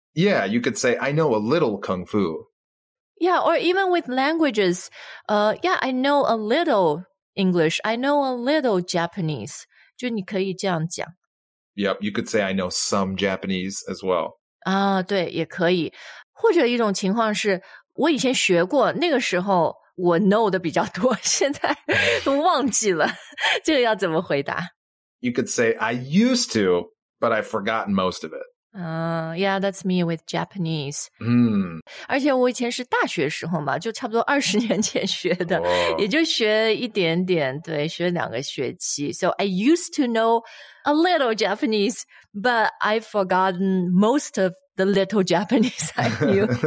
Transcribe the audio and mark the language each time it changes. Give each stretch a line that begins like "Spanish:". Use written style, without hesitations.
English: Yeah, you could say, I know a little Kung Fu. Yeah, or even with languages, yeah, I know a little. English, I know a little Japanese.
Chinese: 就你可以这样讲。
English: Yep, you could say I know some Japanese as well.
Chinese: 啊，对，也可以。或者一种情况是，我以前学过，那个时候我 know 的比较多，现在忘记了。这个要怎么回答？
English: You could say I used to, but I've forgotten most of it. Yeah, that's me with Japanese. Hmm.
Chinese: 而且我以前是大学时候嘛，就差不多20年前学的， Whoa. 也就学一点点，对，学两个学期。
English: So I used to know a little Japanese, but I've forgotten most of the little Japanese I knew.